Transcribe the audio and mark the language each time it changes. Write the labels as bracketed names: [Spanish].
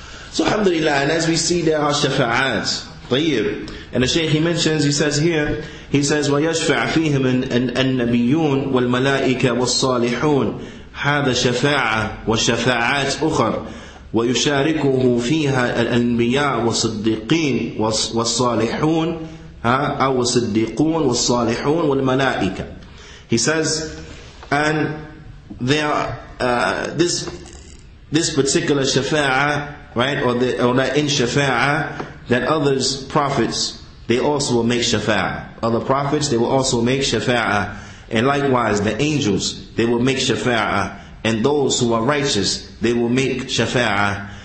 [English] So, alhamdulillah, and as we see, there are shafa'at. [Arabic] طيب. [English] And the Shaykh, he mentions, he says here, he says, [Arabic] وَيَشْفَعْ فِيهِمْ النَّبِيُّونَ وَالْمَلَائِكَ وَالصَّالِحُونَ هَذَا شَفَاعَةٌ وَشَفَاعَاتٌ أُخَرَ ويشاركه فيها الأنبياء والصديقين والصالحون أو الصديقون والصالحون والملائكة. [English] He says, and there this particular shafa'ah, right, or that in shafa'ah, that others prophets, they also will make shafa'ah. Other prophets, they will also make shafa'ah. And likewise, the angels, they will make shafa'ah. And those who are righteous, they will make shafa'ah.